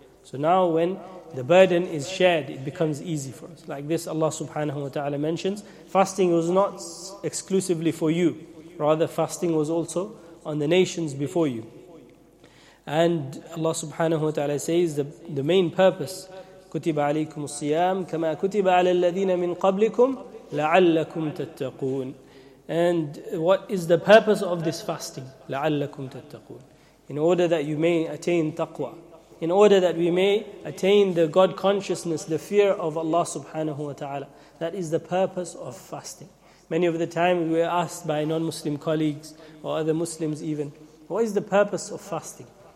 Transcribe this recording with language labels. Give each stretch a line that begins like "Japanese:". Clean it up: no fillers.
English: So now when the burden is shared, it becomes easy for us. Like this, Allah subhanahu wa ta'ala mentions, fasting was not exclusively for you. Rather, fasting was also on the nations before you. And Allah subhanahu wa ta'ala says the main purpose
Arabic: كتب عليكم الصيام كما كتب على الذين من قبلكم لعلكم تتقون.
English: And what is the purpose of this fasting?
Arabic: لعلكم تتقون.
English: In order that you may attain taqwa. In order that we may attain the God consciousness, the fear of Allah subhanahu wa ta'ala. That is the purpose of fasting. Many of the times we are asked by non-Muslim colleagues or other Muslims even, what is the purpose of fasting?